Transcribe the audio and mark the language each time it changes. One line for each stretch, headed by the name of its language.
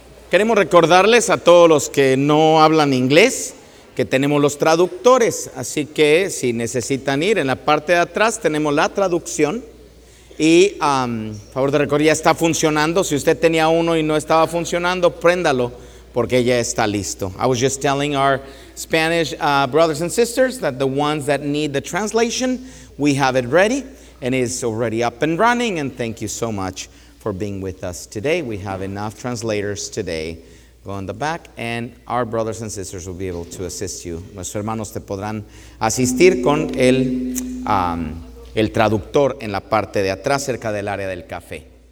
Spanish: Queremos recordarles a todos los que no hablan inglés que tenemos los traductores, así que si necesitan ir, en la parte de atrás tenemos la traducción y favor de recordar, ya está funcionando. Si usted tenía uno y no estaba funcionando, préndalo porque ya está listo.
English: I was just telling our Spanish brothers and sisters that the ones that need the translation, we have it ready and it's already up and running, and thank you so much for being with us today. We have enough translators today. Go in the back and our brothers and sisters will be able to assist you.
Spanish: Nuestros hermanos te podrán asistir con el traductor en la parte de atrás cerca del área del café.